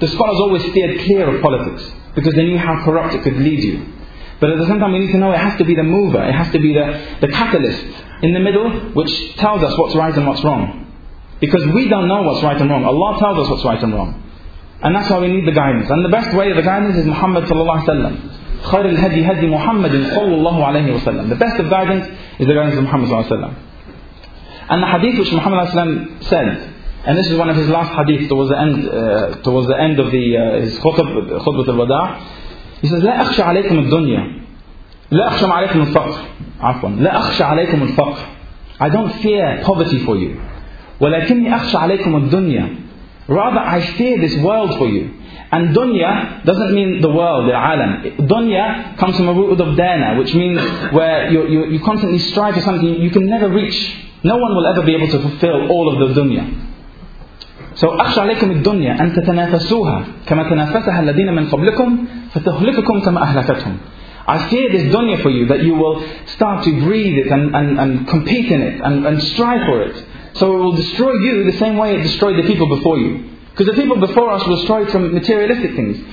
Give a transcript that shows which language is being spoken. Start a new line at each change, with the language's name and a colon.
English: The scholars always steered clear of politics, because they knew how corrupt it could lead you. But at the same time, we need to know it has to be the mover, it has to be the catalyst in the middle, which tells us what's right and what's wrong. Because we don't know what's right and wrong. Allah tells us what's right and wrong. And that's why we need the guidance. And the best way of the guidance is Muhammad sallallahu alayhi wa sallam.
Arabic: خير الهدي هدي محمد صلى الله عليه وسلم.
English: The best of guidance is the guidance of Muhammad sallallahu alayhi wa sallam. And the hadith which Muhammad sallallahu alayhi wa sallam said, and this is one of his last hadith towards the end of his khutbah al-wada', he says,
Arabic: لا أخشى عليكم الدنيا. لا أخشى عليكم الفقر. عفوا. لا أخشى عليكم الفقر.
English: I don't fear poverty for you.
Arabic: ولكني أخشى عليكم الدنيا.
English: Rather, I fear this world for you. And dunya doesn't mean the world, the alam. Dunya comes from a root of dana, which means where you constantly strive for something you can never reach. No one will ever be able to fulfill all of the dunya. So,
Arabic: أخشى عليكم الدنيا أن تتنافسوها كما تنافسها الذين من قبلكم فتهلككم كما أهلكتهم.
English: I fear this dunya for you, that you will start to breathe it and compete in it and strive for it. So it will destroy you the same way it destroyed the people before you. Because the people before us were destroyed from materialistic things.